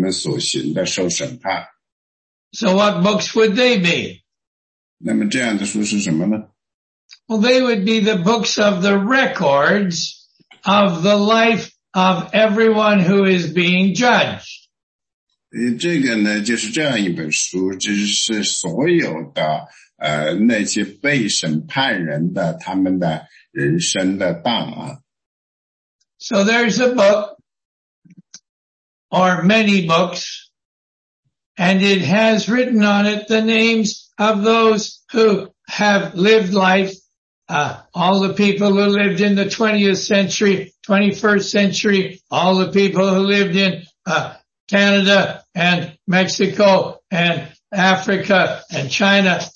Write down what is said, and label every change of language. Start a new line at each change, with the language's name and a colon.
Chinese: 以后面呢，基督说死了的人都要凭着这些案件所记载的，照他们所行的受审判。
English: So what books would they be?
Chinese: 那么这样的书是什么呢？
English: Well, they would be the books of the records of the life of everyone who is being judged.
Chinese: 这个呢，就是这样一本书，就是所有的那些被审判人的他们的。
English: So there's a book, or many books, and it has written on it the names of those who have lived life, all the people who lived in the 20th century, 21st century, all the people who lived in Canada and Mexico and Africa and China.